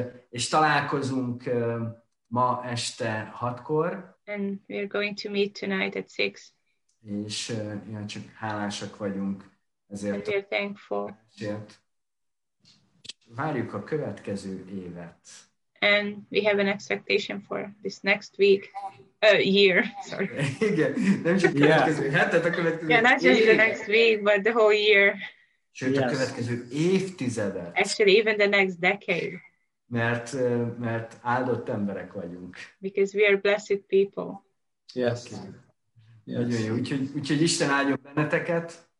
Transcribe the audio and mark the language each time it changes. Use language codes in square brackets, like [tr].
[hu] És találkozunk ma este 6-kor. [en] And we're going to meet tonight at 6. [hu] És ilyen csak hálásak vagyunk ezért. [en] And we're thankful. [hu] Várjuk a következő évet. [en] And we have an expectation for this next week, year, sorry. [hu] Igen, nem csak a következő hetet, a következő évet. [en] Yeah, not just the next week, but the whole year. [hu] Sőt, yes. A következő évtizedet. [en] Actually, even the next decade. [hu] Mert áldott emberek vagyunk. [en] Because we are blessed people. Yes. [hu] Nagyon jó, úgyhogy Isten áldjon benneteket.